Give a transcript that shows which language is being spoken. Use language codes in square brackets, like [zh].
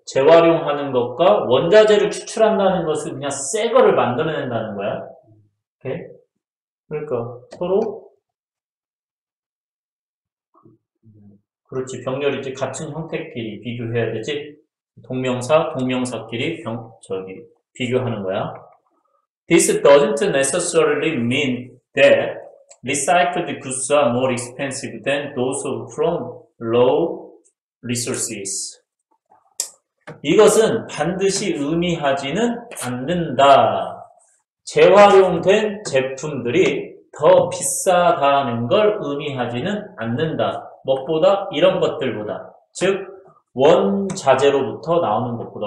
[ko] 재활용하는 것과 원자재를 추출한다는 것은 그냥 새 거를 만들어낸다는 거야. 오케이? 그러니까 서로 그렇지, 병렬이지. 같은 형태끼리 비교해야 되지. 동명사, 동명사끼리 저기, 비교하는 거야. [en] This doesn't necessarily mean that recycled goods are more expensive than those from low resources. [ko] 이것은 반드시 의미하지는 않는다. 재활용된 제품들이 더 비싸다는 걸 의미하지는 않는다. 무엇보다 이런 것들보다. 즉, 원자재로부터 나오는 것보다.